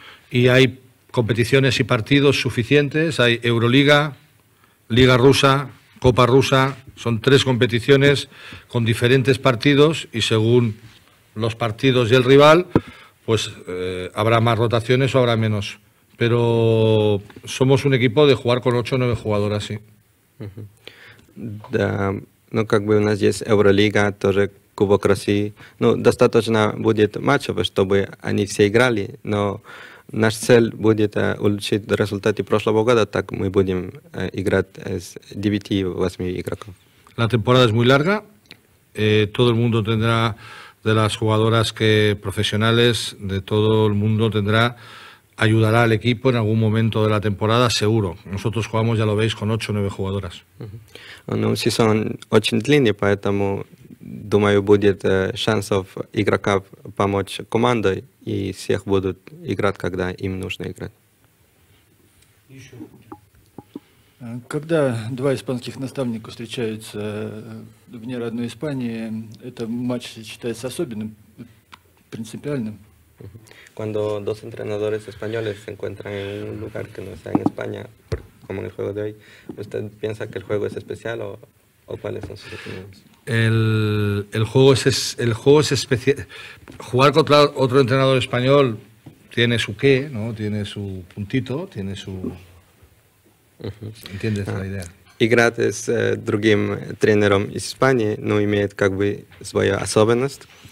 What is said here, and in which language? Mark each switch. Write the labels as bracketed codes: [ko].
[es] И hay competiciones y partidos suficientes, hay Euroliga, Liga Rusa, Copa Rusa, son tres competiciones con diferentes partidos y según los partidos y el rival, pues habrá más rotaciones o habrá menos. Pero somos un equipo de jugar con 8 o 9 jugadoras, sí. [ru] Да, ну как бы у нас есть Евролига, тоже Кубок России. Ну, достаточно будет матчев, чтобы они все играли, но наша цель будет улучшить результаты прошлого года, так мы будем играть с 9-8 игроков. [es] La temporada es muy larga. Todo el mundo tendrá, de las jugadoras que profesionales, de todo el mundo tendrá, ayudará al equipo en algún momento de la temporada, seguro. Nosotros jugamos, ya lo veis, con 8-9 jugadoras. [ru] Ну, сезон очень длинный, поэтому, думаю, будет шансов игроков помочь команде, и всех будут играть, когда им нужно играть. Еще. Когда два испанских наставника встречаются вне родной Испании, это матч считается особенным, принципиальным? [es] Cuando dos entrenadores españoles se encuentran en un lugar que no sea en España, como en el juego de hoy, ¿usted piensa que el juego es especial o cuáles son sus opiniones? El juego es especial. Jugar contra otro entrenador español tiene su qué, ¿no? Tiene su puntito, tiene su... ¿Entiendes la idea? [ru] Играть с другим тренером из Испании, ну, имеет как бы свою особенность.